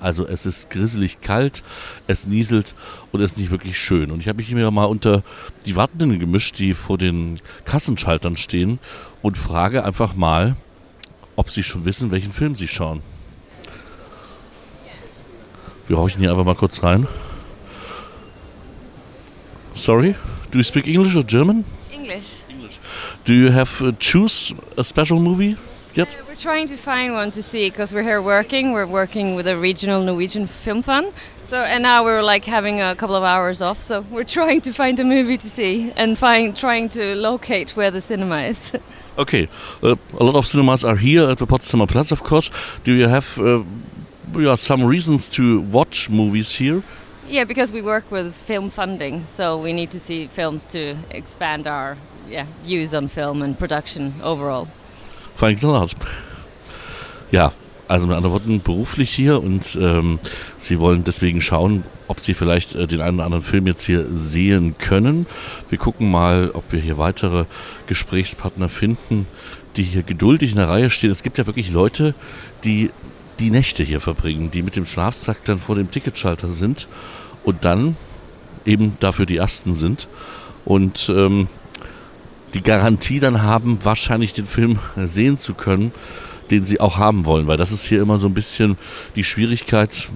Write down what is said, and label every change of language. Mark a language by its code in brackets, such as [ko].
[de] Also es ist grisselig kalt, es nieselt und es ist nicht wirklich schön. Und ich habe mich hier mal unter die Wartenden gemischt, die vor den Kassenschaltern stehen, und frage einfach mal, ob sie schon wissen, welchen Film sie schauen. Wir horchen hier einfach mal kurz rein. [en] Sorry, do you speak English or German? English. Do you have choose a special movie yet? We're trying to find one to see, because we're here working. We're working with a regional Norwegian film fund. So, and now we're like having a couple of hours off, so we're trying to find a movie to see and trying to locate where the cinema is. Okay, a lot of cinemas are here at the Potsdamer Platz, of course. Do you have some reasons to watch movies here? Yeah, because we work with film funding, so we need to see films to expand our views on film and production overall. Thanks a lot. Yeah. [de] Also mit anderen Worten, beruflich hier, und Sie wollen deswegen schauen, ob Sie vielleicht den einen oder anderen Film jetzt hier sehen können. Wir gucken mal, ob wir hier weitere Gesprächspartner finden, die hier geduldig in der Reihe stehen. Es gibt ja wirklich Leute, die die Nächte hier verbringen, die mit dem Schlafsack dann vor dem Ticketschalter sind und dann eben dafür die Ersten sind und die Garantie dann haben, wahrscheinlich den Film sehen zu können, den sie auch haben wollen, weil das ist hier immer so ein bisschen die Schwierigkeit.